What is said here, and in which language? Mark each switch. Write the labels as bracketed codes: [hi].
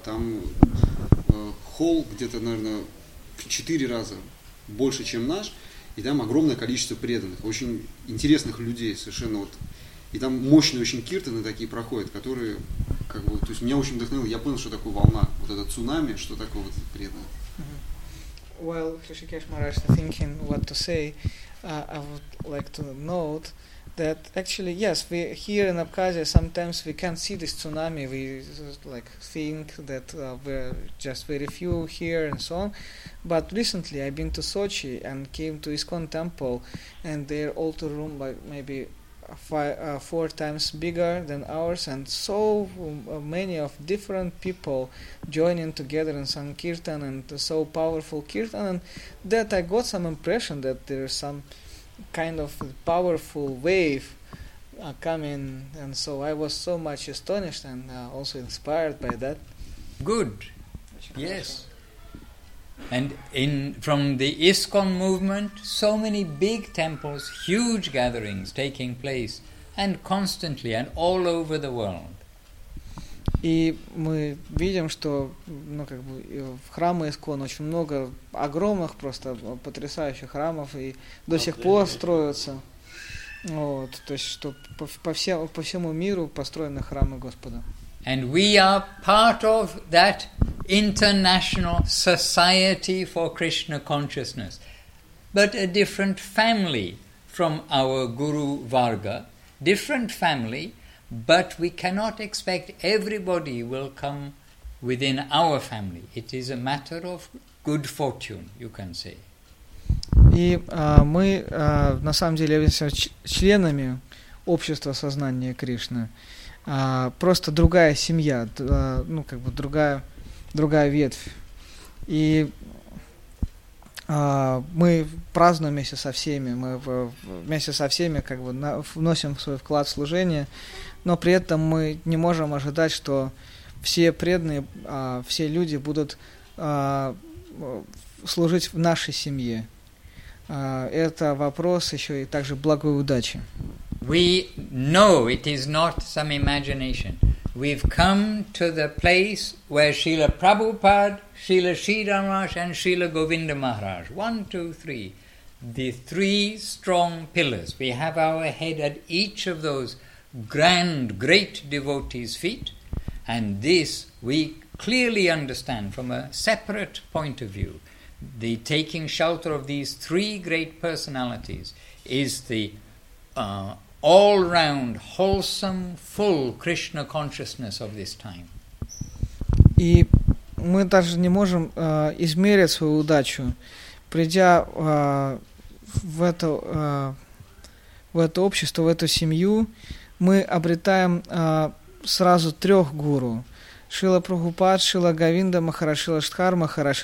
[ru] Там холл где-то, наверное, в 4 раза больше, чем наш, и там огромное количество преданных, очень интересных людей совершенно. Вот. И там мощные очень киртаны такие проходят, которые, как бы, то есть меня очень вдохновило, я понял, что такое волна, вот это цунами, что такое вот преданное. [en] Well, Hrishikesh Maharaj is thinking what to say. I would like to note that actually, yes, we here in Abkhazia sometimes we can't see this tsunami. We think that we're just very few here and so on. But recently, I've been to Sochi and came to ISKCON Temple, and their altar room maybe four times bigger than ours, and so many of different people joining together in Sankirtan, and so powerful Kirtan, and that I got some impression that there is some kind of powerful wave coming, and so I was so much astonished and also inspired by that. Good. Yes. And in from the ISKCON movement, so many big temples, huge gatherings taking place, and constantly, and all over the world. [ru] И мы видим, что, в храмы ISKCON очень много огромных, просто потрясающих храмов, и до сих пор строятся. Вот, то есть, что по всему миру построены храмы Господа. [en] And we are part of that international society for Krishna consciousness, but a different family from our Guru Varga, different family, but we cannot expect everybody will come within our family. It is a matter of good fortune, you can say. [ru] И мы на самом деле являемся членами общества сознания Кришны. Просто другая семья, ну как бы другая ветвь. И мы празднуем вместе со всеми, мы вместе со всеми как бы вносим свой вклад в служение, но при этом мы не можем ожидать, что все преданные, все люди будут служить в нашей семье. Это вопрос еще и также благой удачи. [en] We know it is not some imagination. We've come to the place where Srila Prabhupada, Srila Sridhar Maharaj and Srila Govinda Maharaj, 1, 2, 3, the three strong pillars. We have our head at each of those grand, great devotees' feet, and this we clearly understand from a separate point of view. The taking shelter of these three great personalities is the all-round, wholesome, full Krishna consciousness of this time. [ru] И мы даже не можем измерить свою удачу, придя в это общество, в эту семью, мы обретаем сразу трех гуру. Шрила Прабхупада, Шрила Говинда Махарадж, Шрила Шридхар Махарадж.